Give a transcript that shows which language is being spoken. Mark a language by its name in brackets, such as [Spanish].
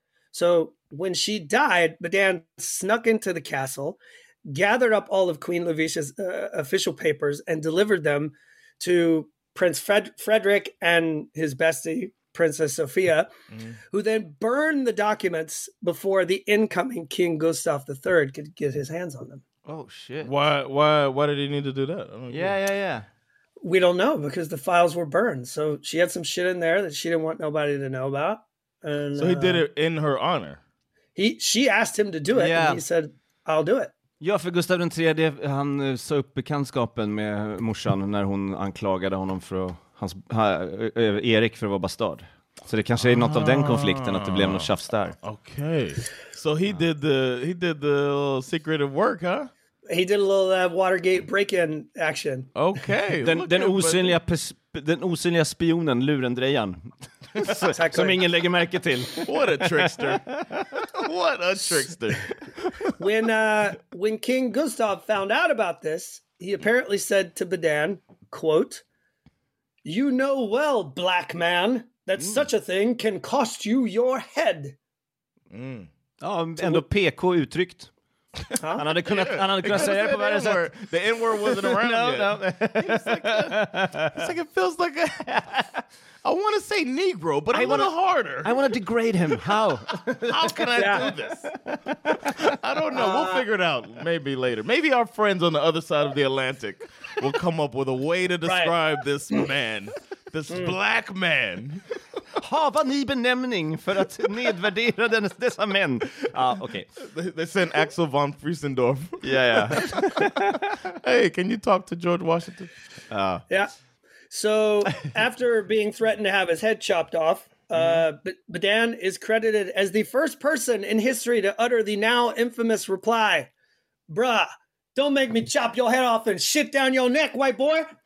[English] So when she died, Badam snuck into the castle, gathered up all of Queen Louisa's official papers and delivered them to Prince Frederick and his bestie, Princess Sophia, who then burned the documents before the incoming King Gustav III could get his hands on them. Oh, shit. Why did he need to do that? Yeah. We don't know, because the files were burned. So she had some shit in there that she didn't want nobody to know about. And, so he did it in her honor. She asked him to do it, and he said, I'll do it. [Swedish] Ja, för Gustav den tredje, han sa upp bekantskapen med morsan när hon anklagade honom för Erik för att vara bastard. Så det kanske är något av den konflikten att det blev något tjafs där. [English] Okej. Okay. So he did the secretive work, huh? He did a little Watergate break-in action. Okay. [Swedish] Den osynliga spionen, lurendrejan. [English] Exactly. [Swedish] Som ingen lägger märke till. [English] What a trickster. What a trickster. When King Gustav found out about this, he apparently said to Badan, quote, "You know well, black man, that such a thing can cost you your head." [Swedish] Ja, ändå PK uttryckt. Huh? Han hade kunnat säga det på varje sätt. [English] The N-word wasn't around yet. No. It's like it feels like a... I want to say Negro, but a little harder. I want to degrade him. How? How can I do this? I don't know. We'll figure it out maybe later. Maybe our friends on the other side of the Atlantic will come up with a way to describe this man. This black man. [Swedish] Hava ni benämning för att nedvärdera dessa män? [English] Ah, okay. They sent Axel von Friesendorf. Yeah. Hey, can you talk to George Washington? Yeah. So after being threatened to have his head chopped off, Badan is credited as the first person in history to utter the now infamous reply, "Bruh, don't make me chop your head off and shit down your neck, white boy."